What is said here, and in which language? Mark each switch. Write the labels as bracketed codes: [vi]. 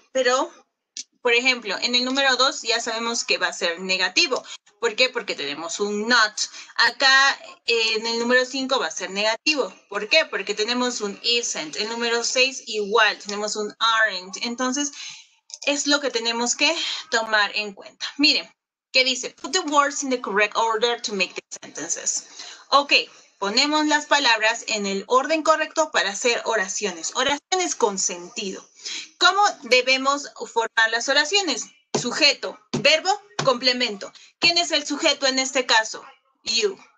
[es] Pero, por ejemplo, en el número 2 ya sabemos que va a ser negativo. ¿Por qué? Porque tenemos un not. Acá en el número 5 va a ser negativo. ¿Por qué? Porque tenemos un isn't. El número 6 igual, tenemos un aren't. Entonces, es lo que tenemos que tomar en cuenta. Miren, ¿qué dice? [en] Put the words in the correct order to make the sentences. [es] Ok, ponemos las palabras en el orden correcto para hacer oraciones. Oraciones con sentido. ¿Cómo debemos formar las oraciones? Sujeto, verbo, complemento. ¿Quién es el sujeto en este caso? [en] You.